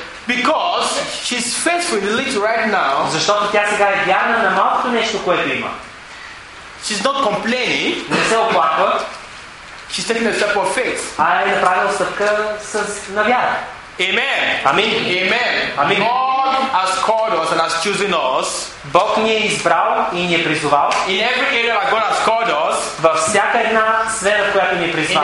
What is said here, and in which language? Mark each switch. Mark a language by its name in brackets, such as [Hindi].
[English] Because she's faithful in the little right now. [Bulgarian] Защото тя сега е вярна на малкото нещо, което има. [English] She's not complaining. [Bulgarian] Не се оплаква. [English] She's taking a step of faith. [Bulgarian] А е направила стъпка с вяра. [English] Amen. Amen. Amen. Amen. God has called us and has chosen us. [Bulgarian] Бог ни е избрал и ни е призовал. [English] In every area that God has called us. [Bulgarian] Във всяка една сфера, в която ни е призвал.